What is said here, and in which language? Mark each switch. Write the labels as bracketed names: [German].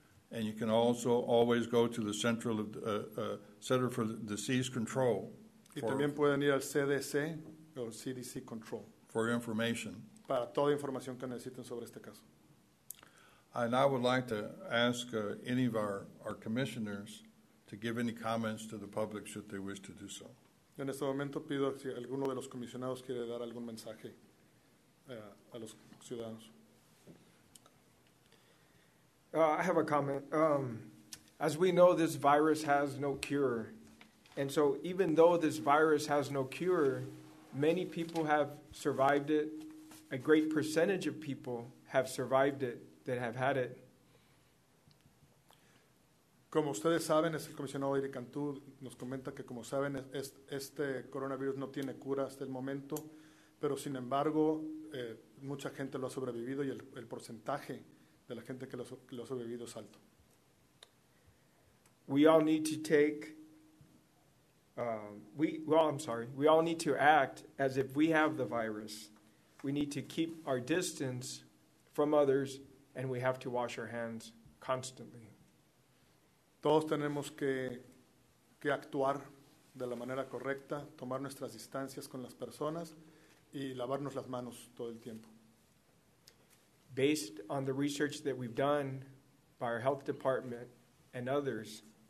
[English] And you can also always go to the central of Center for Disease Control. [Spanish] Y también pueden ir al CDC o CDC Control. [English] For information. [Spanish] Para toda información que necesiten sobre este caso. [English] And I would like to ask any of our commissioners to give any comments to the public should they wish to do so. [Spanish] En este momento pido si alguno de los comisionados quiere dar algún mensaje a los ciudadanos. [English] I have a comment. As we know, this virus has no cure. And so even though this virus has no cure, many people have survived it. A great percentage of people have survived it that have had it. [Spanish] Como ustedes saben, es el comisionado Eric Cantú nos comenta que, como saben, este coronavirus no tiene cura hasta el momento, pero sin embargo, mucha gente lo ha sobrevivido y el porcentaje de la gente que lo ha sobrevivido es alto. [English] We all need to take, we all need to act as if we have the virus. We need to keep our distance from others and we have to wash our hands constantly. [Spanish] Todos tenemos que actuar de la manera correcta, tomar nuestras distancias con las personas y lavarnos las manos todo el tiempo. [English] Based on the research that we've done by our health department and others,